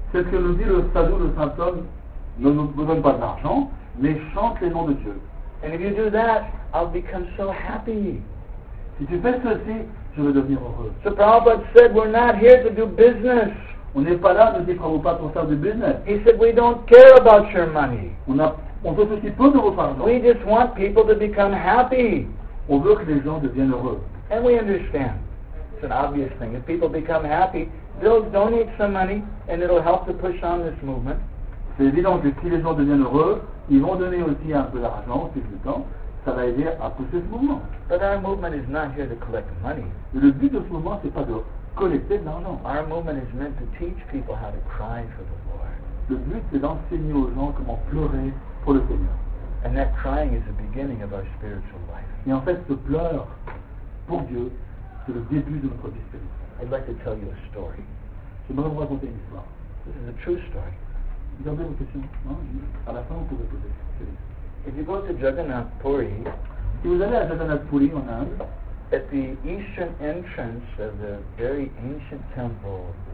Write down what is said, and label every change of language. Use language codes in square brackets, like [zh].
[fr] C'est ce que nous dit le sadhu, le saint homme, ne nous donne pas d'argent, mais chante les noms de Dieu. [en] And if you do that, I'll become so happy. [fr] Si tu fais ceci, je vais devenir heureux. [en] So Prabhupada said, we're not here to do business. [fr] On n'est pas là, nous dit Prabhupada, pour faire du business. [en] He said, we don't care about your money. [fr] On veut aussi peu de votre argent. [en] We just want people to become happy. [fr] On veut que les gens deviennent heureux. [en] And we understand. It's an obvious thing. If people become happy, they'll donate some money and it'll help to push on this movement. [fr] C'est évident que si les gens deviennent heureux, ils vont donner aussi un peu d'argent, si c'est le temps. Ça va aider à pousser ce mouvement. [en] But our movement is not here to collect money. [fr] Le but de ce mouvement, c'est pas de collecter de l'argent. [en] Our movement is meant to teach people how to cry for the Lord. [fr] Le but, c'est d'enseigner aux gens comment pleurer pour le Seigneur. [en] And that crying is the beginning of our spiritual life. [fr] Et en fait, ce pleur pour Dieu, c'est le début de notre vie spirituelle. [en] I'd like to tell you a story. [fr] J'aimerais vous raconter une histoire. [en] This is a true story. [fr] Vous avez une question? Non? À la fin, vous pouvez poser. [en] If you go to Jagannath Puri, [fr] si vous allez à Jagannath Puri en Inde, [en] at the eastern entrance of the very ancient temple,